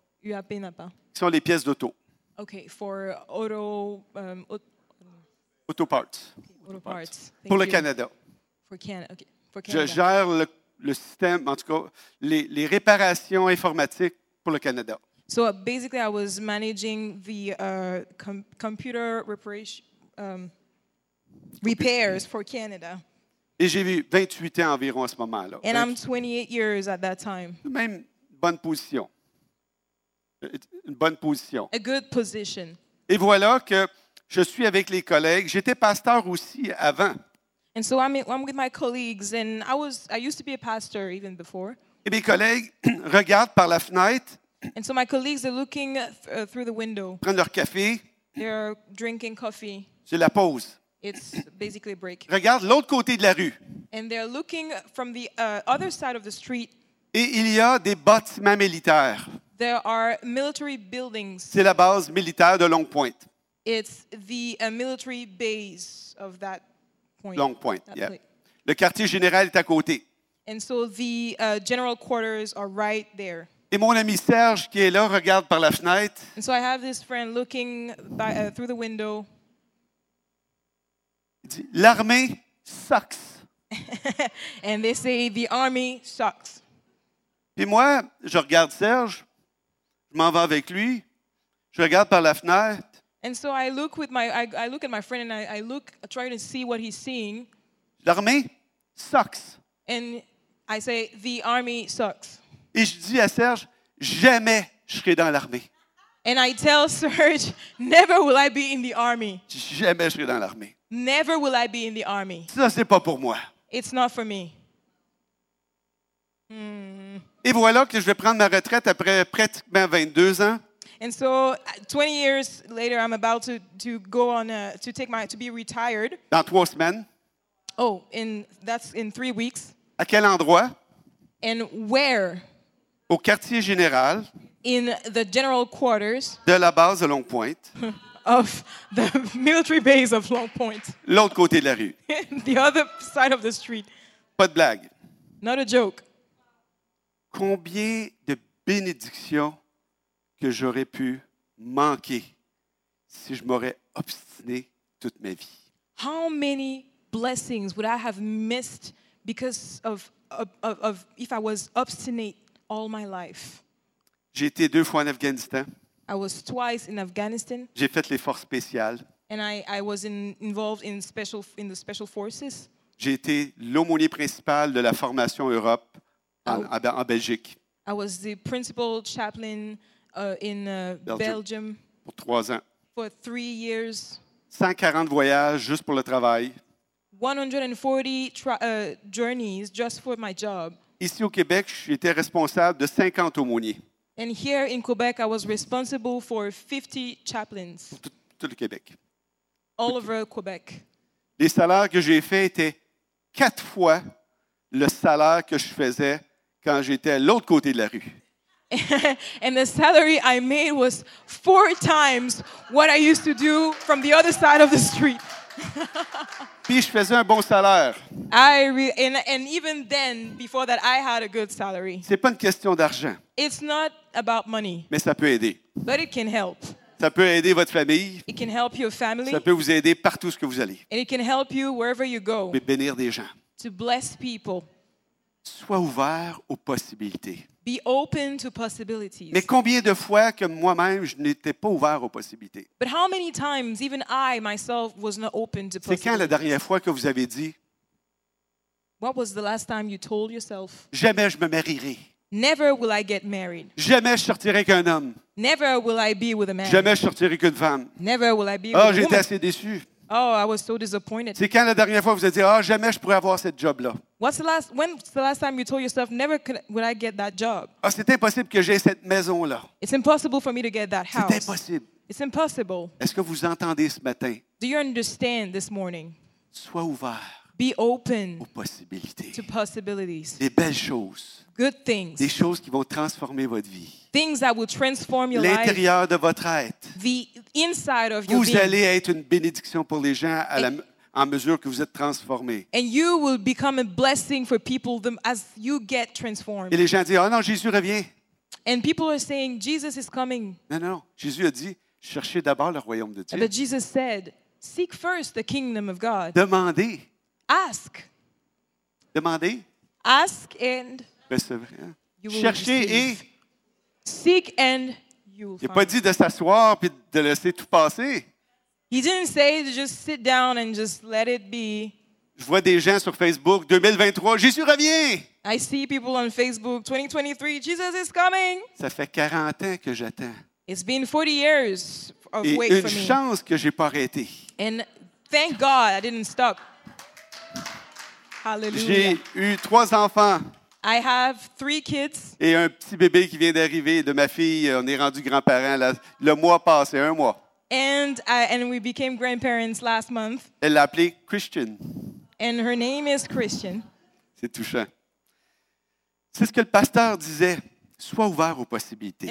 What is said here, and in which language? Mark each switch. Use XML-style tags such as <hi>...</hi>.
<fr>UAP Napa. Qui sont les pièces d'auto.</fr> <en>Okay, for auto... Auto parts. Okay, auto parts.</en> <fr>Pour</fr> <en>you.</en> <fr>Le Canada.</fr> <en>For Canada. Okay. For Canada.</en> <fr>Je gère le système, en tout cas, les réparations informatiques pour le Canada.</fr> <en>So basically, I was managing the computer repairs for Canada.</en> <fr>Et j'ai vu 28 ans environ à ce moment-là.</fr> <en>And I'm 28 years at that time.</en> <fr>Même bonne position. Une bonne position.</fr> <en>A good position.</en> <fr>Et voilà que je suis avec les collègues. J'étais pasteur aussi avant.</fr> <en>And so I'm with my colleagues, and I used to be a pastor even before.</en> <fr>Et mes collègues regardent par la fenêtre.</fr> <en>And so my colleagues are looking through the window.</en> <fr>Prennent leur café.</fr> <en>They're drinking coffee.</en> <fr>C'est la pause.</fr> <en>It's basically a break.</en> <fr>Regardent l'autre côté de la rue.</fr> <en>And they're looking from the other side of the street.</en> <fr>Et il y a des bâtiments militaires.</fr> <en>There are military buildings.</en> <fr>C'est la base militaire de Longue Pointe.</fr> <en>It's the military base of that. Longue Pointe, yeah.</en> <fr>Le quartier général est à côté.</fr> <en>And so the general quarters are right there.</en> <fr>Et mon ami Serge qui est là regarde par la fenêtre.</fr> <en>And so I have this friend looking by, through the window.</en> <fr>Il dit, l'armée sucks.</fr> <en>And they say the army sucks.</en> <fr>Puis moi, je regarde Serge, je m'en vais avec lui, je regarde par la fenêtre.</fr> <en>And so I look with my I look at my friend and I look trying to see what he's seeing.</en> <fr>L'armée sucks.</fr> <en>And I say the army sucks.</en> <fr>Et je dis à Serge, jamais je serai dans l'armée.</fr> <en>And I tell Serge, never will I be in the army.</en> <fr>Jamais je serai dans l'armée.</fr> <en>Never will I be in the army.</en> <fr>Ça c'est pas pour moi.</fr> <en>It's not for me.</en> <fr>Et voilà que je vais prendre ma retraite après pratiquement 22 ans.</fr> <en>And so 20 years later I'm about to go on to be retired.</en> <fr>Dans 3 semaines.</fr> <en>Oh, that's in 3 weeks.</en> <fr>À quel endroit?</fr> <en>And where?</en> <fr>Au quartier général.</fr> <en>In the general quarters.</en> <fr>De la base de Longue Pointe.</fr> <en>Of the military base of Longue Pointe.</en> <fr>L'autre côté de la rue.</fr> <en>The other side of the street.</en> <fr>Pas de blague.</fr> <en>Not a joke.</en> <fr>Combien de bénédictions que j'aurais pu manquer si je m'aurais obstiné toute ma vie.</fr> <en>How many blessings would I have missed because of if I was obstinate all my life?</en> <fr>J'ai été 2 fois en Afghanistan.</fr> <en>I was twice in Afghanistan.</en> <fr>J'ai fait les forces spéciales.</fr> <en>And I was involved in the special forces.</en> <fr>J'ai été l'aumônier principal de la formation Europe en Belgique.</fr> <en>I was the principal chaplain Belgium.</en> <fr>Pour 3 ans.</fr> <en>For 3 years.</en> <fr>140 voyages juste pour le travail.</fr> <en>140 journeys just for my job.</en> <fr>Ici au Québec, j'étais responsable de 50 aumôniers.</fr> <en>And here in Quebec, I was responsible for 50 chaplains.</en> <fr>Pour tout le Québec.</fr> <en>All over Quebec.</en> <fr>Les salaires que j'ai faits étaient 4 fois le salaire que je faisais quand j'étais à l'autre côté de la rue.</fr> <en>And the salary I made was 4 times what I used to do from the other side of the street.</en> <fr>Puis je faisais un bon salaire.</fr> <en>And even then, before that, I had a good salary.</en> <fr>C'est pas une question d'argent.</fr> <en>It's not about money.</en> <fr>Mais ça peut aider.</fr> <en>But it can help.</en> <fr>Ça peut aider votre famille.</fr> <en>It can help your family.</en> <fr>Ça peut vous aider partout où vous allez.</fr> <en>And it can help you wherever you go.</en> <fr>Mais bénir des gens.</fr> <en>To bless people.</en> <fr>Sois ouvert aux possibilités.</fr> <en>Be open to possibilities.</en> <fr>Mais combien de fois que moi-même je n'étais pas ouvert aux possibilités?</fr> <en>But how many times even I myself was not open to possibilities?</en> <fr>C'est quand la dernière fois que vous avez dit?</fr> <en>What was the last time you told yourself?</en> <fr>Jamais je me marierai.</fr> <en>Never will I get married.</en> <fr>Jamais je sortirai qu'un homme.</fr> <en>Never will I be with a man.</en> <fr>Jamais je sortirai qu'une femme.</fr> <en>Never will I be with a woman.</en> <fr>J'étais assez déçu.</fr> <en>Oh, I was so disappointed.</en> <fr>C'est quand la dernière fois vous avez dit, jamais je pourrais avoir cette job-là.</fr> <en>When's the last time you told yourself, never would I get that job?</en> <fr>C'est impossible que j'aie cette maison-là.</fr> <en>It's impossible for me to get that house.</en> <fr>C'est impossible.</fr> <en>It's impossible.</en> <fr>Est-ce que vous entendez ce matin?</fr> <en>Do you understand this morning?</en> <fr>Sois ouvert.</fr> <en>Be open</en> <fr>aux possibilités.</fr> <en>To possibilities.</en> <fr>Des belles choses.</fr> <en>Good things.</en> <fr>Des choses qui vont transformer votre vie.</fr> <en>Things that will transform your</en> <fr>L'intérieur</fr> <en>life.</en> <fr>De votre être.</fr> <en>The inside of</en> <fr>vous</fr> <en>your being.</en> <fr>Allez être une bénédiction pour les gens en mesure que vous êtes transformé.</fr> <en>And you will become a blessing for people as you get transformed.</en> <fr>Et les gens disent, Jésus revient.</fr> <en>And people are saying, Jesus is coming.</en> <fr>Non, Jésus a dit, cherchez d'abord le royaume de Dieu.</fr> <en>But Jesus said, seek first the kingdom of God.</en> <fr>Demandez.</fr> <en>Ask.</en> <fr>Demandez.</fr> <en>Ask and you will</en> <fr>cherchez</fr> <en>receive.</en> <fr>Et</fr> <en>seek and you will find.</en> <fr>Il n'a pas dit de s'asseoir puis de laisser tout passer.</fr> <en>He didn't say to just sit down and just let it be.</en> <fr>Je vois des gens sur Facebook, 2023, Jésus revient.</fr> <en>I see people on Facebook, 2023, Jesus is coming.</en> <fr>Ça fait 40 ans que j'attends.</fr> <en>It's been 40 years of</en> <fr>et</fr> <en>wait for me.</en> <fr>Et une chance que je n'ai pas arrêté.</fr> <en>And thank God I didn't stop. Hallelujah.</en> <fr>J'ai eu 3 enfants.</fr> <en>I have 3 kids.</en> <fr>Et un petit bébé qui vient d'arriver de ma fille. On est rendu grands-parents le mois passé, un mois.</fr> <en>And we became grandparents last month.</en> <fr>Elle l'a appelé Christian.</fr> <en>And her name is Christian.</en> <fr>C'est touchant. C'est ce que le pasteur disait. Sois ouvert aux possibilités.</fr>